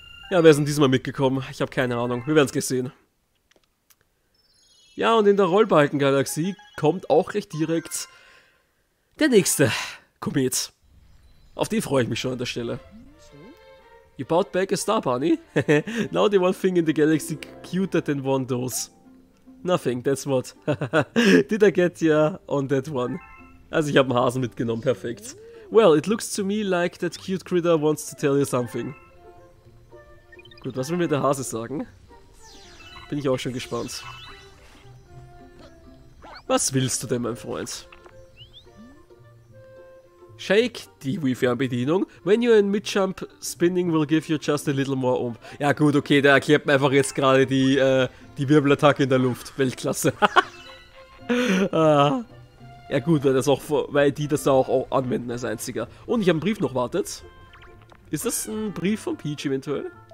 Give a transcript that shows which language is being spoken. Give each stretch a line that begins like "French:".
German: Ja, wer ist denn diesmal mitgekommen? Ich habe keine Ahnung. Wir werden's gesehen. Ja, und in der Rollbalkengalaxie kommt auch recht direkt der nächste Komet. Auf den freue ich mich schon an der Stelle.
English: You bought back a star bunny? Now the one thing in the galaxy cuter than one does. Nothing, that's what. Did I get ya on that one?
German: Also ich habe einen Hasen mitgenommen, perfekt.
English: Well, it looks to me like that cute critter wants to tell you something.
German: Gut, was will mir der Hase sagen? Bin ich auch schon gespannt. Was willst du denn, mein Freund? Shake die Wii-Fernbedienung.
English: When you're in mid-jump, spinning will give you just a little more oomph.
German: Ja gut, okay, der erklärt mir einfach jetzt gerade die Wirbelattacke in der Luft. Weltklasse. Ja gut, weil, das auch, weil die das auch anwenden als einziger. Und ich habe einen Brief noch, wartet. Ist das ein Brief von Peach eventuell?